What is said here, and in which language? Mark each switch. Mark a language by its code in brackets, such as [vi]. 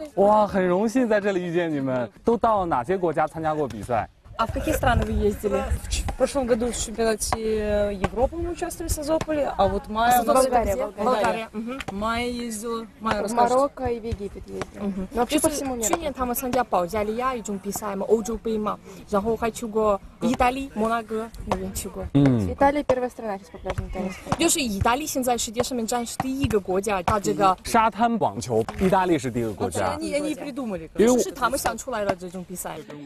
[zh] 哇，很荣幸在这里遇见你们。都到哪些国家参加过比赛？ [ru] А в какие страны вы ездили? В прошлом году в чемпионате Европы мы участвовали в Созополе, а вот Майя... Болгария. Майя ездила... Майя расскажет. Марокко и в Египет ездила. Вообще по всему [zh] миру. 去年他们参加保加利亚一种比赛嘛，欧洲杯嘛，然后还去过意大利摩纳哥那边去过。意大利第一个国家是保加利亚。就是意大利现在世界上面占是第一个国家打这个沙滩网球，意大利是第一个国家。你别动嘛，这个就是他们想出来的这种比赛。